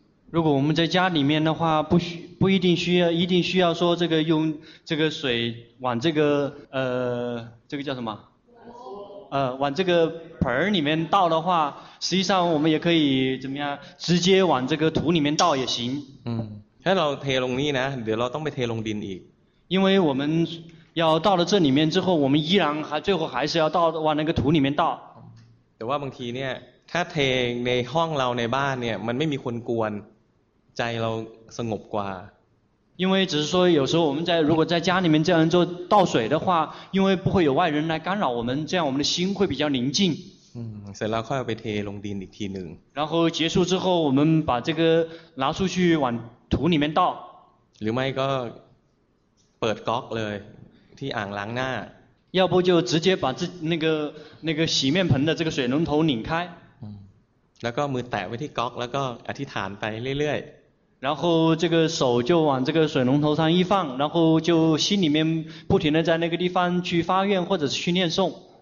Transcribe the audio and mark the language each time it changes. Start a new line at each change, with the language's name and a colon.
Chinese: 如果我们在家里面的话不一定需要一定需要说这个用这个水往这个这个叫什么往这个盆里面倒的话实际上我们也可以怎么样直接往这个土里面倒也行
Thai: 嗯ให้เราเทลงนี้นะเดี๋ยวเราต้องไปเทลงดินอีก
Chinese: 因为我们要到了这里面之后我们依然还最后还是要倒往那个土里面倒
Thai: แต่ว่าบางทีเนี่ยถ้าเทในห้องเราในบ้านเนี่ยมันไม่มีคนกวนใจเราสงบกว่า
Chinese: 因为只是说有时候我们在如果在家里面这样做倒水的话因为不会有外人来干扰我们这样我们的心会比较宁静
Thai: เสร็จแล้วค่อยไปเทลงดินอีกทีนึง
Chinese: 然后结束之后我们把这个拿出去往土里面倒
Thai: หรือไม่ก็เปิดก๊อกเลยที่อ่างล้างหน้า
Chinese: 要不就直接把这那个洗面盆的这个水龙头拧开
Thai: แล้วก็มือแตะไว้ที่ก๊อกแล้วก็อธิษฐานไปเรื่อย
Chinese: ๆ然后这个手就往这个水龙头上一放然后就心里面不停的在那个地方去发愿或者是去念诵